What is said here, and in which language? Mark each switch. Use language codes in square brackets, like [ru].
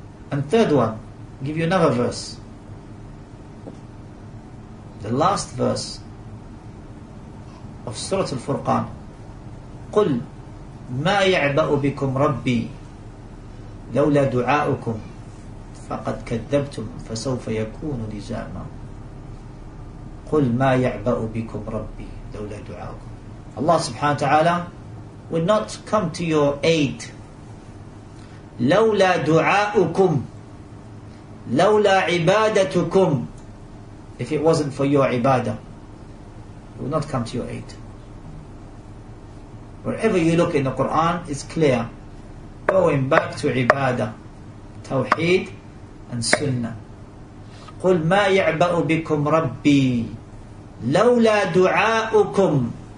[en] And third one, I'll give you another verse. The last verse of Surah Al-Furqan. [ar] قُلْ مَا يَعْبَأُ بِكُمْ رَبِّي لولا دعاؤكم فقد كذبتم فسوف يكون لزاما قل ما يعبأ بكم ربي لولا دعاؤكم. [en] Allah subhanahu wa ta'ala will not come to your aid. [ar] لولا دعاؤكم لولا عبادتكم. [en] If it wasn't for your ibadah, it would not come to your aid. Wherever you look in the Quran, it's clear. Going back to ibadah, tawheed and sunnah. [ar] قُلْ مَا يَعْبَأُ بِكُمْ رَبِّي لَوْلَا دُعَاءُكُمْ.